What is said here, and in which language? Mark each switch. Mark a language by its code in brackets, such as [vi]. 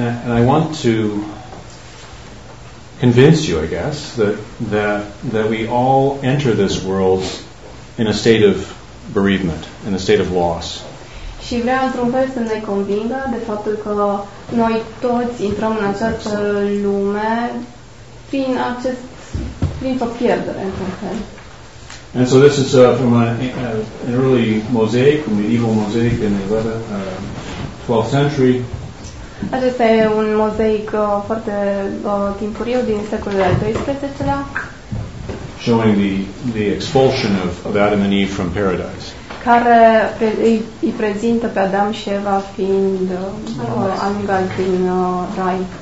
[en] And I want to convince you, I guess, that we all enter this world in a state of bereavement, in a state of loss. [ro] Și vreau într-un fel să ne convingă de faptul că noi toți intrăm în această lume prin o pierdere, într-un fel. [en] And so this is from an early mosaic, a medieval mosaic in the 12th century. [ro] Acesta e un mozaic foarte timpuriu din secolul al XII-lea. [en] Showing the expulsion of Adam and Eve from paradise. [ro] Care îi prezintă pe Adam și Eva fiind aluncați din rai.